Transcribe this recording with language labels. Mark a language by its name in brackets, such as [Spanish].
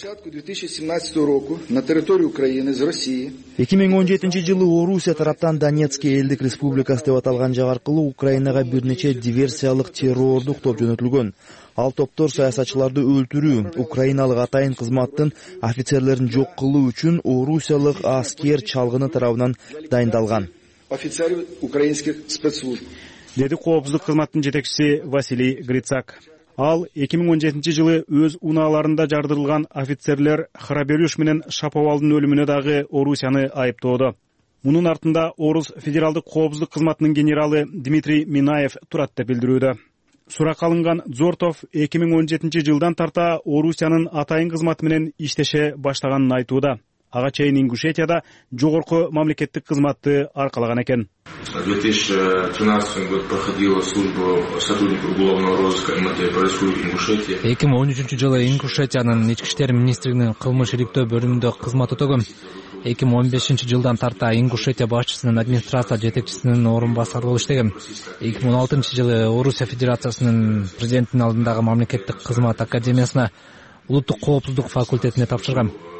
[Kyrgyz] 2017-жылы Орусия тараптан Донецк элдик республикасы деп аталган жай аркылуу Украинага бир нече диверсиялык террордук топ жөнөтүлгөн. Ал топтор саясатчыларды өлтүрүү, украиналык атайын кызматтын офицерлерин жок кылуу үчүн орусиялык аскер чалгыны тарабынан дайындалган. [Russian] Офицер украинских спецслужб. [Kyrgyz] Деди коопсуздук кызматтын жетекчиси Василий Грицак. Ал 2017 жылы өз унааларында жардырылган офицерлер Храбелюш менен Шаповалдын өлүмүнө дагы Орусияны айыптоодо. Мунун артында Орус федералдык коопсуздук кызматынын генералы Дмитрий Минаев турат деп билдирүүдө. Сурак алынган Зортов 2017 жылдан тарта Орусиянын атайын кызматы менен иштеше баштаганын айтууда. Ага чейин Ингушетияда жогорку мамлекеттик кызматты аркалаган экен. [Russian] В 2013 году проходила служба сотрудника уголовного розыска МТБ происходит в Ингушетии. [Kyrgyz] 2013 жылы Ингушетиянын ички иштер министринин кылмыш иликтөө бөлүмүндө кызмат өтөгөм. 2015 жылдан тарта Ингушетия башчысынын администрация жетекчисинин орун басары болуп иштегем. 2016 жылы Орусия Федерациясынын президентинин алдындагы мамлекеттик кызмат академиясына улуттук коопсуздук факультетине тапшыргам.